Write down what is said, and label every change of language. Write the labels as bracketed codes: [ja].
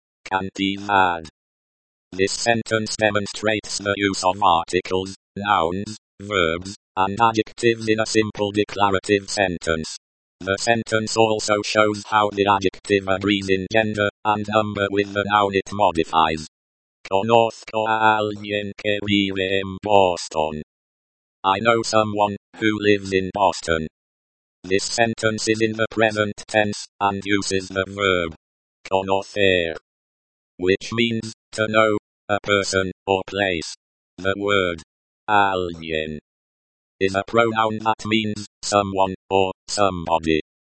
[en] Cantidad. This sentence demonstrates the use of articles, nouns, verbs, and adjectives in a simple declarative sentence. The sentence also shows how the adjective agrees in gender and number with the noun it modifies. [es] Conozco a alguien que vive en Boston. [en] I know someone who lives in Boston. This sentence is in the present tense, and uses the verb conocer, which means to know a person or place. The word alguien is a pronoun that means someone or somebody.